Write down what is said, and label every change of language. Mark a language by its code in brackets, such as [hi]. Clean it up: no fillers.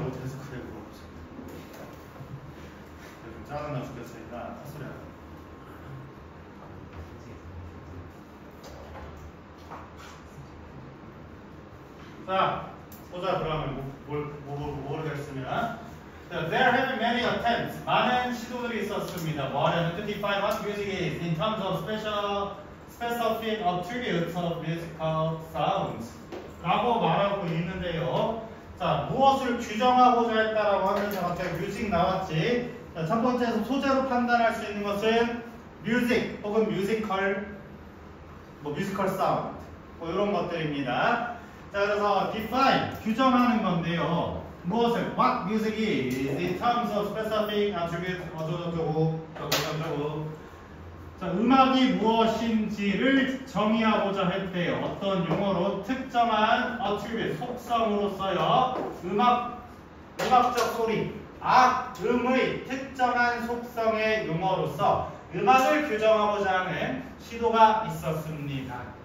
[ko] 뭐 대수 그래 물어보세요. 좀 짜증나 죽겠으니까 헛소리 하자. 자 보자 그러면 뭘 했으면. [en] There have been many attempts. [ko] 많은 시도들이 있었습니다. [en] What is the define what music is in terms of specific attributes of musical sounds? [ko] 라고 말하고 있는데요. 자, 무엇을 규정하고자 했다라고 하면서 갑자기 music 나왔지. 자, 첫 번째에서 소재로 판단할 수 있는 것은 music 혹은 musical, 뭐 musical sound, 뭐 이런 것들입니다. 자, 그래서 define, 규정하는 건데요. [en] 무엇을, what music is in terms of specific attributes 어쩌고저쩌고. [ko] 자, 음악이 무엇인지를 정의하고자 했대요. 어떤 용어로 특정한 attribute, 속성으로서요. 음악적 소리, 악음의 특정한 속성의 용어로서 음악을 규정하고자 하는 시도가 있었습니다.